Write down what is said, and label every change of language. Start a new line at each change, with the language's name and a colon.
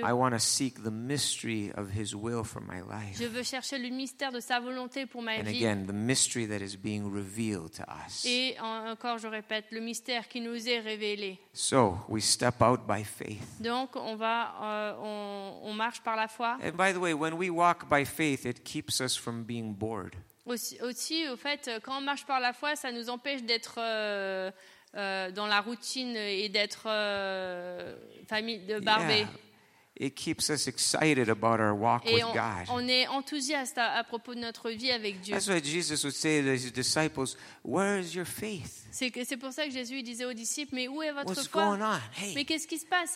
English: I want to seek the mystery of his will for my life.
French: Je veux chercher le mystère de sa volonté pour ma
English: and
French: vie.
English: And again, the mystery that is being revealed to us.
French: Et encore je répète, le mystère qui nous est révélé.
English: So, we step out by faith.
French: Donc on marche par la foi.
English: And by the way, when we walk by faith, it keeps us from being bored.
French: Aussi, au fait, quand on marche par la foi, ça nous empêche d'être dans la routine et d'être famille de barbé.
English: Yeah. It keeps us excited about our walk
French: et
English: with God.
French: On est enthousiaste à propos de notre vie avec Dieu.
English: That's why Jesus would say to his disciples, "Where is your faith?"
French: C'est pour ça que Jésus disait aux disciples, mais où est votre
English: What's
French: foi
English: going on? Hey,
French: mais qu'est-ce qui se passe?